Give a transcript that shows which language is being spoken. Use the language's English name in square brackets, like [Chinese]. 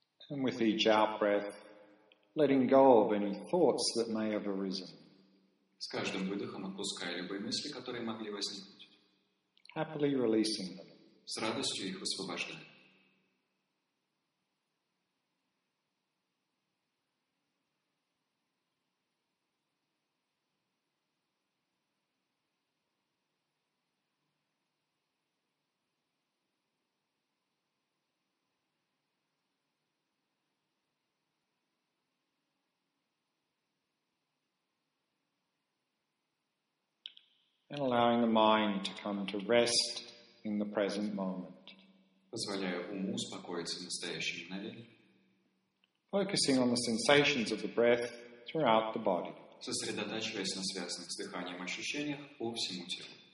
[English] And with each out-breath, letting go of any thoughts that may have arisen. [Russian] С каждым выдохом отпуская любые мысли, которые могли возникнуть. [English] Happily releasing them. [Russian] С радостью их освобождая. [English] And allowing the mind to come to rest in the present moment. [Russian] Позволяя уму успокоиться в настоящем мгновении. [English] Focusing on the sensations of the breath throughout the body. [Russian] Сосредотачиваясь на связанных с дыханием ощущениях по всему телу.